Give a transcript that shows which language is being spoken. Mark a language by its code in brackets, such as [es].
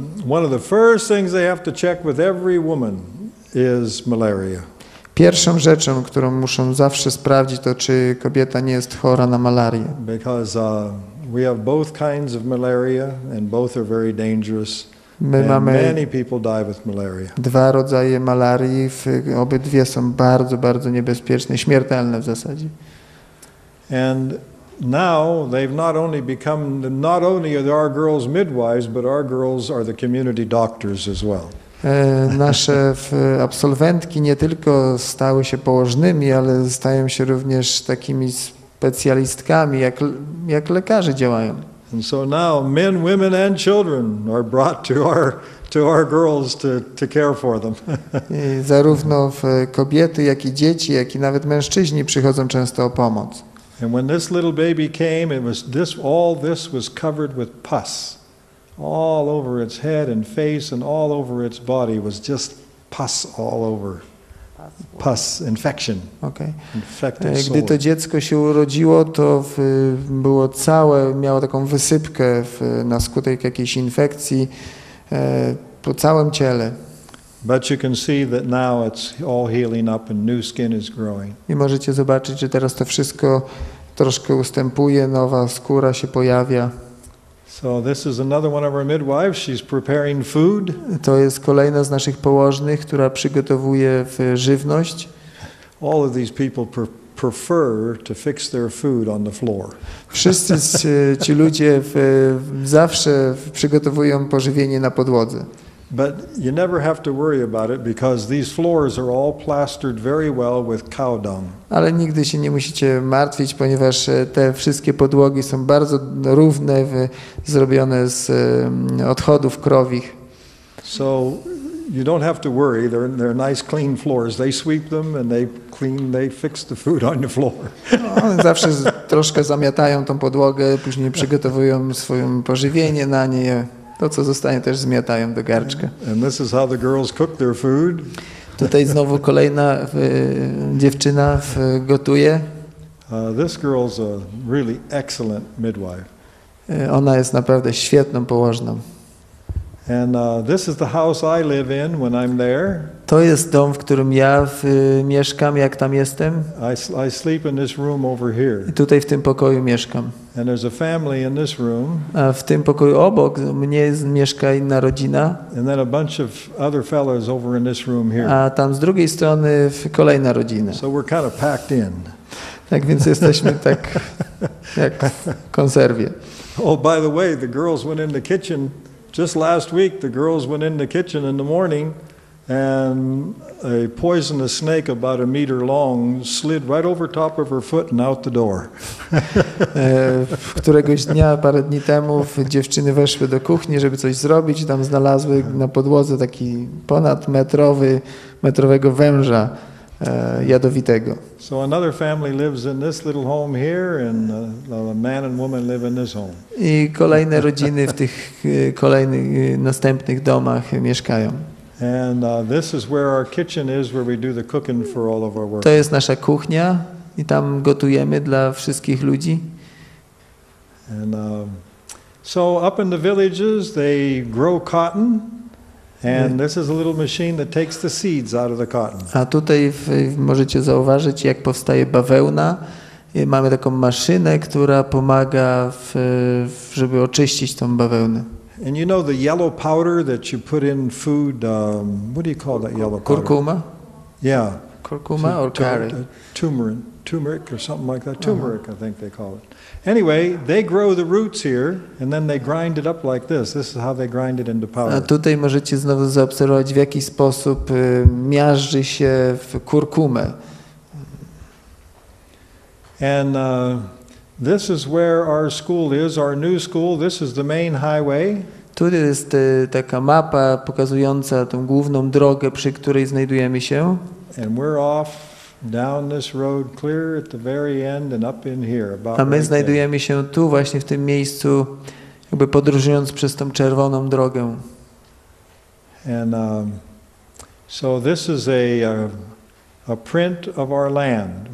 [en] One of the first things they have to check with every woman is malaria. [pl] Pierwszą rzeczą, którą muszą zawsze sprawdzić, to czy kobieta nie jest chora na malarię. [en] Because we have both kinds of malaria and both are very dangerous. Many people die with malaria. [pl] Dwa rodzaje malarii, obydwie są bardzo, bardzo niebezpieczne, śmiertelne w zasadzie. [en] And now they've not only are our girls midwives, but our girls are the community doctors as well. [pl] Nasze absolwentki nie tylko stały się położnymi, ale stają się również takimi specjalistkami, jak lekarze działają. [en] And so now men, women and children are brought to our girls to care for them. [pl] Zarówno kobiety, jak i dzieci, jak i nawet mężczyźni przychodzą często o pomoc. [en] And when this little baby came, all this was covered with pus. All over its head and face and all over its body was just pus all over. Pus, infection. Okay. [pl] Gdy to dziecko się urodziło, to było całe, miało taką wysypkę na skutek jakiejś infekcji po całym ciele. [en] But you can see that now it's all healing up and new skin is growing. [pl] I możecie zobaczyć, że teraz to wszystko troszkę ustępuje, nowa skóra się pojawia. [en] So this is another one of our midwives. She's preparing food. [pl] To jest kolejna z naszych położnych, która przygotowuje żywność. [en] All of these people prefer to fix their food on the floor. [pl] Wszyscy ci ludzie zawsze przygotowują pożywienie na podłodze. [en] But you never have to worry about it because these floors are all plastered very well with cow dung. [pl] Ale nigdy się nie musicie martwić, ponieważ te wszystkie podłogi są bardzo równe, zrobione z odchodów krowich. [en] So you don't have to worry. They're nice clean floors. They sweep them and they fix the food on the floor. [pl] One zawsze troszkę zamiatają tą podłogę, później przygotowują swoje pożywienie na niej. To, co zostanie, też zmiatają do garczka. [en] And this is how the girls cook their food. [pl] Tutaj znowu kolejna dziewczyna gotuje. [en] This girl's a really excellent midwife. [pl] Ona jest naprawdę świetną położną. [en] And this is the house I live in when I'm there. [pl] To jest dom, w którym ja mieszkam, jak tam jestem. [en] I sleep in this room over here. [pl] I tutaj w tym pokoju mieszkam. [en] And there's a family in this room. [pl] A w tym pokoju obok mnie mieszka inna rodzina. [en] And then a bunch of other fellows over in this room here. [pl] A tam z drugiej strony kolejna rodzina. [en] So we're kind of packed in. [pl] Tak więc jesteśmy tak jak w konserwie. [en] Oh, by the way, the girls went in the kitchen. Just last week, the girls went in the kitchen in the morning, and a poisonous snake about a meter long slid right over top of her foot and out the door. [pl] Któregoś dnia, parę dni temu, dziewczyny weszły do kuchni, żeby coś zrobić, tam znalazły na podłodze taki ponad metrowego węża jadowitego. [en] So another family lives in this little home here, and the man and woman live in this home. [pl] I kolejne rodziny w tych kolejnych następnych domach mieszkają. [en] And this is where our kitchen is, where we do the cooking for all of our workers. [pl] To jest nasza kuchnia i tam gotujemy dla wszystkich ludzi. [en] And so up in the villages, they grow cotton. And this is a little machine that takes the seeds out of the cotton. [pl] A tutaj możecie zauważyć, jak powstaje bawełna. Mamy taką maszynę, która pomaga żeby oczyścić tą bawełnę. [en] And you know the yellow powder that you put in food, what do you call that yellow powder? [pl] Kurkuma? [en] Yeah. Kurkuma or curry? Turmeric or something like that. Turmeric, uh-huh. I think they call it. Anyway, they grow the roots here and then they grind it up like this. This is how they grind it into powder. [pl] A tutaj możecie znowu zaobserwować, w jaki sposób miażdży się w kurkumę. [en] And this is where our school is, our new school. This is the main highway. [pl] Tu jest taka mapa pokazująca tą główną drogę, przy której znajdujemy się. [en] And we're off down this road clear at the very end and up in here about. [pl] A my znajdujemy się tu właśnie w tym miejscu, jakby podróżując przez tą czerwoną drogę. [en] And so this is a print of our land.